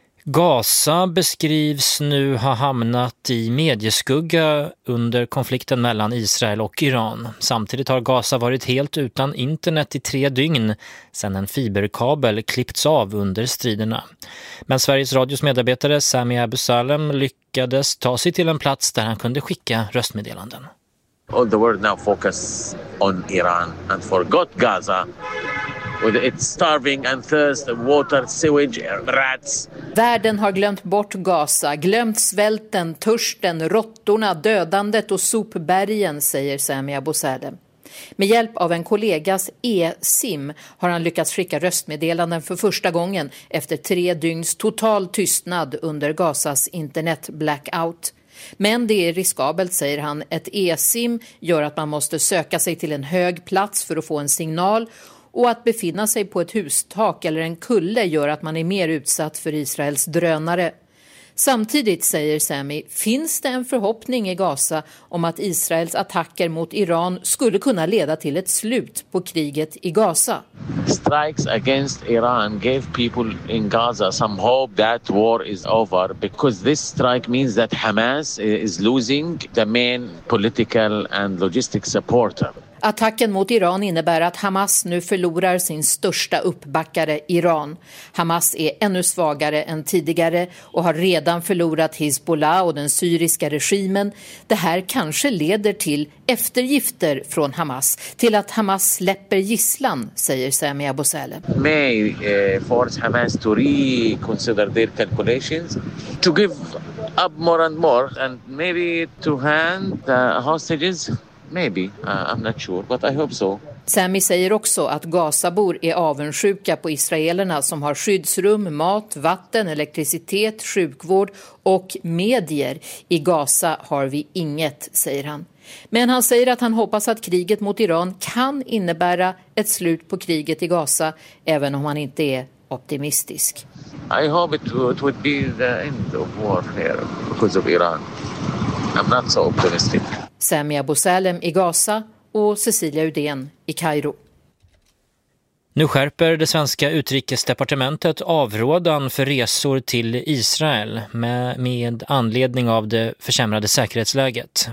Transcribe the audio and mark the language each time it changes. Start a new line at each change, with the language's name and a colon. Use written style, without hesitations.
Swedish: Gaza beskrivs nu ha hamnat i medieskugga under konflikten mellan Israel och Iran. Samtidigt har Gaza varit helt utan internet i 3 dygn sedan en fiberkabel klippts av under striderna. Men Sveriges radios medarbetare Sami Abu Salem lyckades ta sig till en plats där han kunde skicka röstmeddelanden.
English: All the world now focus on Iran and forgot Gaza. With its starving and thirst, water, sewage, rats.
Swedish: Världen har glömt bort Gaza, glömt svälten, törsten, råttorna, dödandet och sopbergen, säger Sami Abu Salem. Med hjälp av en kollegas e-sim har han lyckats skicka röstmeddelanden för första gången efter 3 dygns total tystnad under Gazas internet-blackout. Men det är riskabelt, säger han. Ett e-sim gör att man måste söka sig till en hög plats för att få en signal, och att befinna sig på ett hustak eller en kulle gör att man är mer utsatt för Israels drönare. Samtidigt, säger Sami, finns det en förhoppning i Gaza om att Israels attacker mot Iran skulle kunna leda till ett slut på kriget i Gaza.
English: Strikes against Iran gave people in Gaza some hope that war is over, because this strike means that Hamas is losing the main political and logistic supporter.
Swedish: Attacken mot Iran innebär att Hamas nu förlorar sin största uppbackare, Iran. Hamas är ännu svagare än tidigare och har redan förlorat Hezbollah och den syriska regimen. Det här kanske leder till eftergifter från Hamas, till att Hamas släpper gisslan, säger Sami Abu Salem.
English: May force Hamas to reconsider their calculations, to give up more and maybe to hand the hostages. Maybe, I'm not sure, but I hope so.
Swedish: Sami säger också att Gazabor är avundsjuka på israelerna som har skyddsrum, mat, vatten, elektricitet, sjukvård och medier. I Gaza har vi inget, säger han. Men han säger att han hoppas att kriget mot Iran kan innebära ett slut på kriget i Gaza, även om han inte är optimistisk.
English: I hope it would be the end of war here because of Iran. I'm not so optimistic.
Swedish: Sami Abu Salem i Gaza och Cecilia Udén i Kairo. Nu skärper det svenska utrikesdepartementet avrådan för resor till Israel med anledning av det försämrade säkerhetsläget.